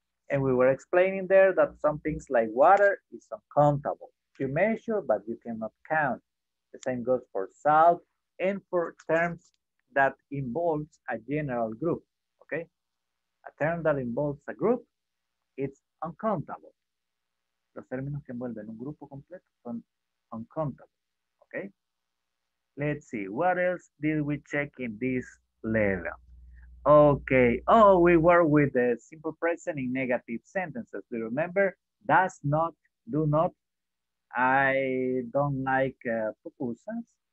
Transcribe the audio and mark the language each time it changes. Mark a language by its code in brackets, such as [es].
[en] And we were explaining there that some things like water is uncountable. You measure, but you cannot count. The same goes for salt and for terms that involves a general group, okay? A term that involves a group, it's uncountable. [es] Los términos que envuelven un grupo completo son uncountable, okay? [en] Let's see, what else did we check in this level? Okay, oh, we work with the simple present in negative sentences. Do you remember? Does not, do not. I don't like pupusas.